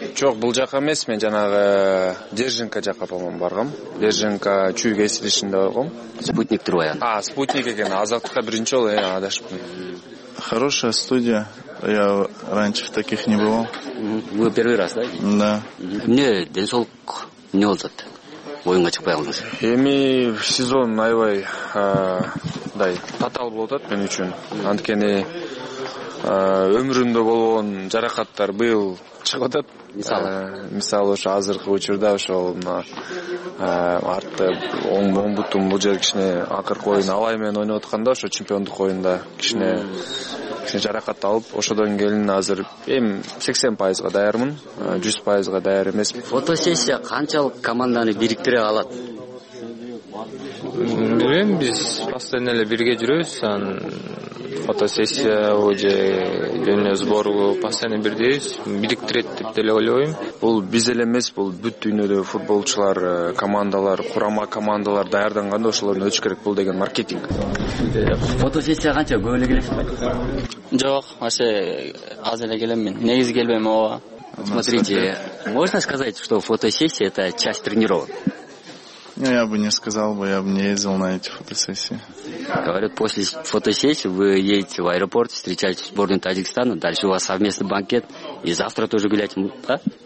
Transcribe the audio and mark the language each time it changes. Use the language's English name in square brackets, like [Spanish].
[Kyrgyz] Жок, бул жака эмес, мен жанагы Держинка жака болгон баргам. Держинка чүй кесилишинде болгом. Спутник турбай. Спутник экен, Азаттыкка биринчи жолу адашыппын. [Russian] Хорошая студия. Я раньше в таких не бывал. Вы первый раз, да? Да. [Kyrgyz] Мне ден соолук эмне болуп жатат? Оюнга чыкпай калдыңыз. Эми сезон аябай дай татаал болуп атат мен үчүн. Анткени өмүрүмдө болгон жаракаттар быйыл чыгып атат. Мисалы ошо азыркы учурда ошол мына артта оң бутум, бул жер кичине акыркы оюн Алай менен ойноп атканда ошо чемпиондук оюнда кичине жаракат алып, ошодон келин азыр эми 80% даярмын, 100% даяр эмесмин. Фотосессия канчалык команданы бириктире алат? билем, биз постоянно эле бирге жүрөбүз, анан фотосессия же дүйнө сборго постоянно бирдейбиз, бириктирет деп деле ойлойм. Бул биз эле эмес, бул бүт дүйнөдө футболчулар, командалар, курама командалар даярданганда ошолордон өтүш керек, бул деген маркетинг. Фотосессия канча көбөлө келет? Жок, ошо аз эле келем мен. Негиз келбейм ооба. [Russian] Смотрите, можно сказать, что фотосессия это часть тренировок? Ну, я бы не сказал бы, я бы не ездил на эти фотосессии. Говорят, после фотосессии вы едете в аэропорт, встречаете сборную Таджикистана, дальше у вас совместный банкет, и завтра тоже гулять, да?